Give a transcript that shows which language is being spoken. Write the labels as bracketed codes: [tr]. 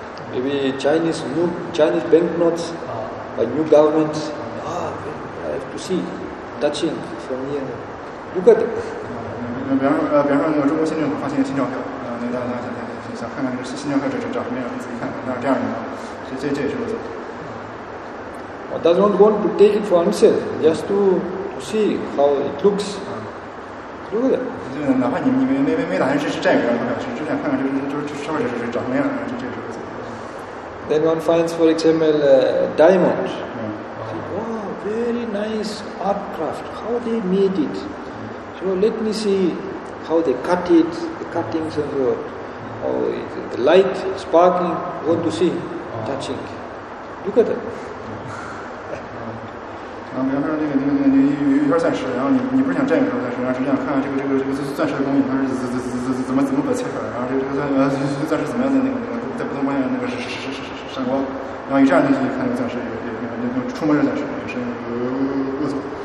[en] Maybe Chinese banknotes by new government. I have to see, touching from here. Look at it. [zh] 比方说那个中国新政府发行的新钞票，那大家想看看这新钞票长什么样，仔细看看，那这样的，这也是不错。 [en] One does not want to take it for himself, just to see how it looks. Look at it. [zh] 就哪怕你没打算是这样的钞票，只想看看这上面这长什么样，这也是不错。 [en] Then one finds, for example, a diamond. Wow, very nice art craft. How they made it. So let me see how they cut it, the cuttings and so on. How the light sparkling, want to see, touching. Look at that. [zh] 比方说那个一块钻石，然后你不是想占一块钻石，然后只想看看这个钻石的工艺，它是怎么把切开，然后这个钻石怎么样的那个在不同方向那个闪光，然后以这样的去看那个钻石，也触摸着钻石，也是恶作。